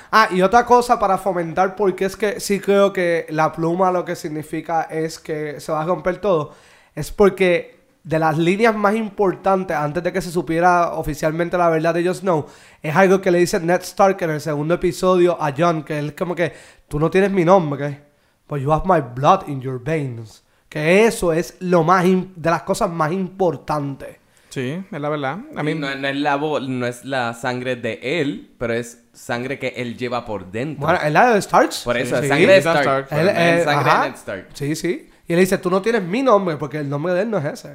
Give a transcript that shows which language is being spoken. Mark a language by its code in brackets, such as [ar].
[es] Ah, y otra cosa para fomentar, porque es que sí creo que la pluma lo que significa es que se va a romper todo. Es porque de las líneas más importantes, antes de que se supiera oficialmente la verdad de Jon Snow, es algo que le dice Ned Stark en el segundo episodio a Jon, que él es como que, tú no tienes mi nombre, ¿ok? [en] But you have my blood in your veins. [es] Que eso es lo más de las cosas más importantes. Sí, es la verdad. A mí no es la sangre de él, pero es sangre que él lleva por dentro. Bueno, es la de Starks. Por eso, sí, es sangre de Stark. Es sangre de Ned Stark. Sí, sí. Y él dice, tú no tienes mi nombre, porque el nombre de él no es ese.